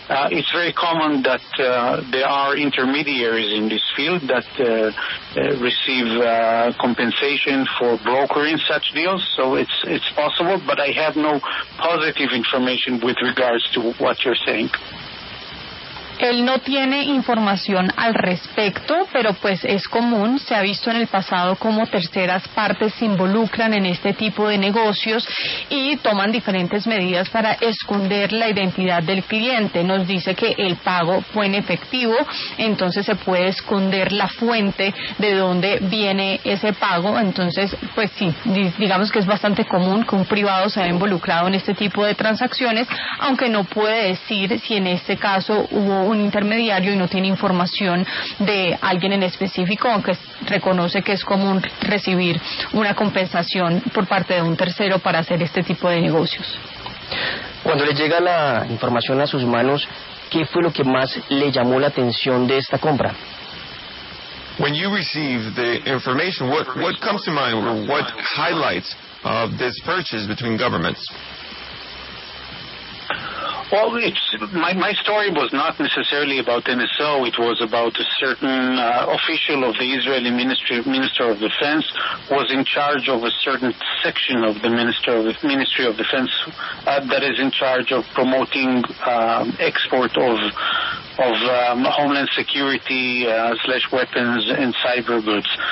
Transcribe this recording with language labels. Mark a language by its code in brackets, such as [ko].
[en] It's very common that there are intermediaries in this field that receive compensation for brokering such deals, so it's possible, but I have no positive information with regards to what you're saying. [es] Él no tiene información al respecto, pero pues es común, se ha visto en el pasado cómo terceras partes se involucran en este tipo de negocios y toman diferentes medidas para esconder la identidad del cliente. Nos dice que el pago fue en efectivo, entonces se puede esconder la fuente de dónde viene ese pago. Entonces, pues sí, digamos que es bastante común que un privado se haya involucrado en este tipo de transacciones, aunque no puede decir si en este caso hubo un intermediario y no tiene información de alguien en específico, aunque reconoce que es común recibir una compensación por parte de un tercero para hacer este tipo de negocios. Cuando le llega la información a sus manos, ¿qué fue lo que más le llamó la atención de esta compra? [en] When you receive the information, what comes to mind or what highlights of this purchase between governments? Well, it's my story was not necessarily about NSO. It was about a certain official of the Israeli Minister of Defense was in charge of a certain section of the Ministry of Defense that is in charge of promoting export of homeland security / weapons and cyber goods.